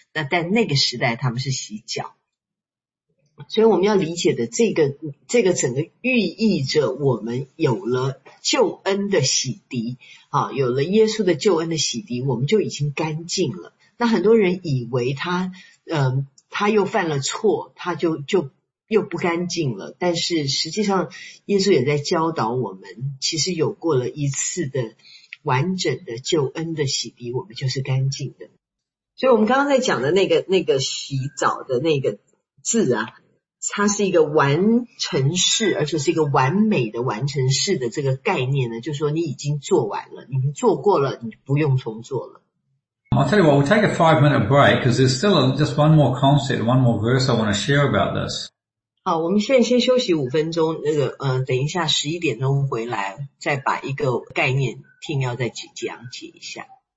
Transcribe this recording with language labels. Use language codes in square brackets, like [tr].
[zh] 那在那个时代他们是洗脚。所以我们要理解的这个整个寓意着我们有了救恩的洗涤，有了耶稣的救恩的洗涤，我们就已经干净了。那很多人以为他又犯了错，他就又不干净了，但是实际上耶稣也在教导我们，其实有过了一次的完整的救恩的洗涤，我们就是干净的。所以我们刚刚在讲的那个洗澡的那个字啊，它是一个完成式，而且是一个完美的完成式的这个概念呢，就是说你已经做完了，你做过了，你不用重做了。 [en] I'll tell you what, we'll take a 5 minute break because there's still just one more concept, one more verse I want to share about this. [zh] 好，我们现在先休息五分钟，等一下11点钟回来，再把一个概念听要再讲解一下。